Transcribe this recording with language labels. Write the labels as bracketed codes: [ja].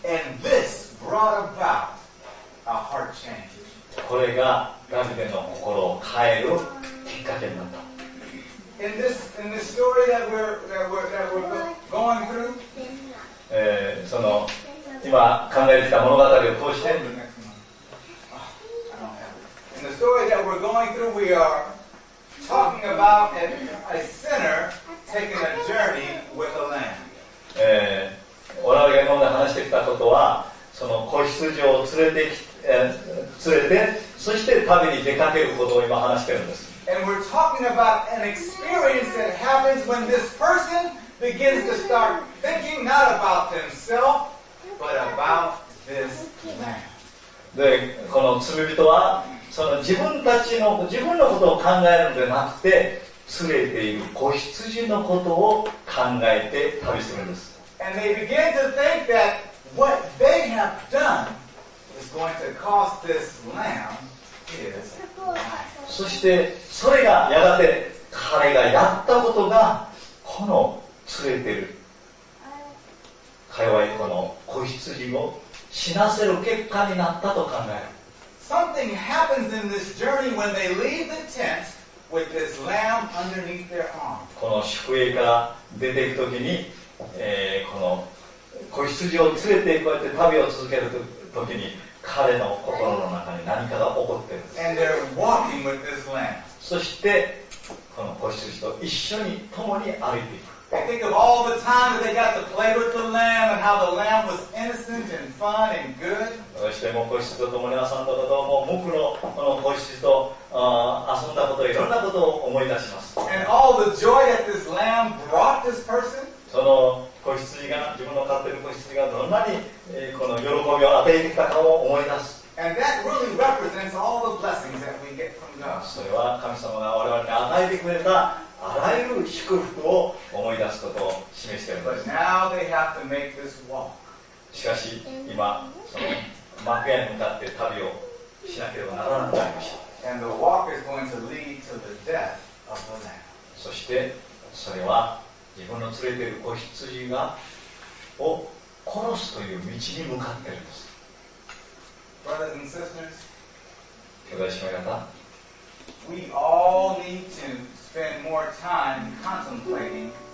[en] And this brought about a heart change. [ja] これがダビデの心を変えるきっかけになった。 [en] In this story that we're going through. [ja] その今考えてきた物語を通して、 [en] In the story that we're going through, we are talking about a sinner taking a journey with a lamb. [ja] オラが今まで話してきたことは、その子羊を連れて、そして旅に出かけることを今話しているんです。 [en] And we're talking about an experience that happens when this person. Begins to start thinking not about himself, but about this land. [ja] で、この罪人は、その自分のことを考えるのではなくて、連れている子羊のことを考えて旅するんです。 [en] And they begin to think that what they have done is going to cost this land his life. [ja] そして、それがやがて彼がやったことが、この連れてるかよわいこの子羊を死なせる結果になったと考える。 [en] Something happens in this journey when they leave the tent with this lamb underneath their arm. [ja] この宿営から出ていくときに、この子羊を連れてこうやって旅を続けるときに、彼の心の中に何かが起こっている。 [en] And they're walking with this lamb. [ja] そしてこの子羊と一緒に共に歩いていく。 [en] I think of all the time that they got to play with the lamb and how the lamb was innocent and fun and good. [ja] そしてもう子羊と共に遊んだこと、もう無垢のこの子羊と遊んだこと、いろんなことを思い出します。 [en] And all the joy that this lamb brought this person. [ja] その子羊が、自分の飼っている子羊がどんなにこの喜びを与えてきたかを思い出す。 [en] And that really represents all the blessings that we get from God. [ja] それは神様が我々に与えてくれたらゆる祝福を思い出すことを示しています。 [en] Now they have to make this walk. [ja] しかし今その幕屋に向かって旅をしなければならなくなりました。 [en] And the walk is going to lead to the death of the lamb. [ja] そしてそれは自分の連れている子羊がを殺すという道に向かっているんです。 [en] Brothers and sisters, [ja] 兄弟姉妹方、 [en] We all need to spend more time contemplating.